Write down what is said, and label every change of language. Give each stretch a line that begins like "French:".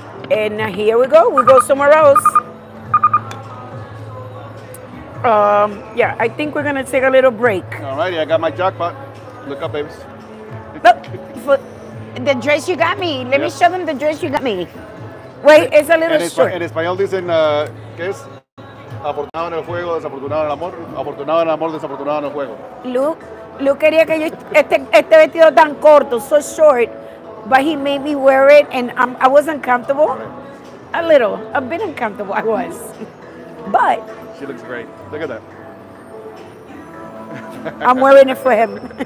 English: And here we go. We go somewhere else. I think we're going to take a little break. All righty. I got my jackpot. Look up, babies. The dress you got me. Let me show them the dress you got me. Wait, it's a little short.
Spanish: In Espanol dicen, ¿qué es? Afortunado en el juego, desafortunado en el amor. Afortunado en el amor, desafortunado en el juego.
English: Luke
Spanish: quería que yo este vestido tan corto,
English: so short, but he made me wear it, and I was uncomfortable. A little. A bit uncomfortable, I was. But. She looks great. Look at that. I'm wearing it for him.